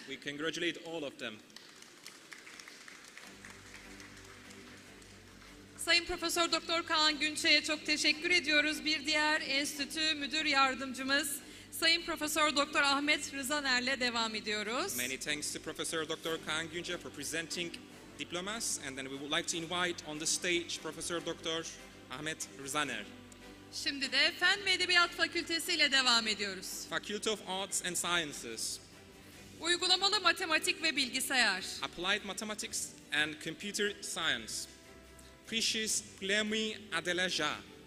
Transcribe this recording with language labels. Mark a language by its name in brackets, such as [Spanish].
[English] We congratulate all of them. [Turkish] Sayın Profesör Doktor Kaan Günçe'ye çok teşekkür ediyoruz. Bir diğer enstitü müdür yardımcımız Sayın Profesör Doktor Ahmet Rızaner'le devam ediyoruz. [English] Many thanks to Professor Dr. Kaan Günce for presenting diplomas and then we would like to invite on the stage Professor Dr. Ahmet Rızaner. [Turkish] Şimdi de Fen ve Edebiyat Fakültesi ile devam ediyoruz. [English] Faculty of Arts and Sciences. [Turkish] Uygulamalı Matematik ve Bilgisayar. [English] Applied Mathematics and Computer Science. Prishis Glemi Adeleja.